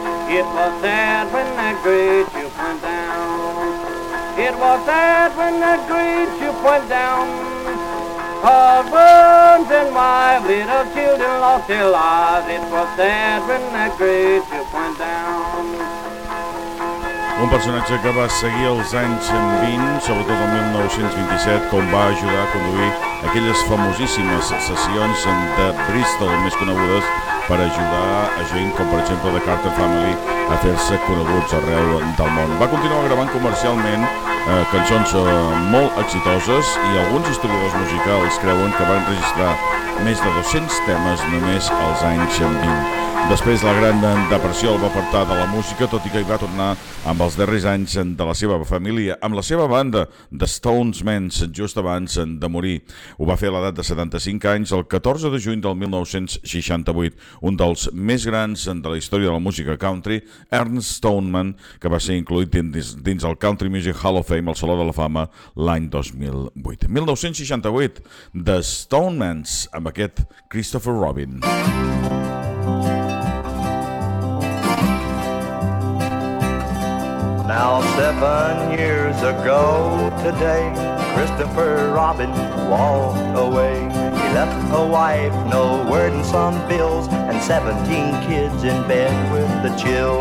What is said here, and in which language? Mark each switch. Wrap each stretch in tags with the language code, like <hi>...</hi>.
<en>It was sad when that great ship went down. It was sad when that great ship went down. Cause worms and my little children lost their lives. It was sad when that great ship went down.</en> <ca>Un personatge que va seguir els anys 20, sobretot el 1927, quan va ajudar a conduir aquelles famosíssimes sessions de Bristol, més conegudes, per ajudar a gent com, per exemple, The Carter Family a fer-se coneguts arreu del món. Va continuar gravant comercialment cançons molt exitoses i alguns historiadors musicals creuen que van registrar més de 200 temes només als anys 20. Després, la Gran Depressió el va apartar de la música, tot i que hi va tornar amb els darrers anys de la seva família, amb la seva banda The Stones Men, just abans de morir. Ho va fer a l'edat de 75 anys, el 14 de juny del 1968. Un dels més grans de la història de la música country, Ernest Stoneman, que va ser incluït dins el Country Music Hall of Fame, al Saló de la Fama, l'any 2008. 1968, The Stoneman, amb aquest Christopher Robin.</ca> <en>Now 7 years ago today, Christopher Robin walked away. He left a wife, no word and some bills, and 17 kids in bed with the chill.</en>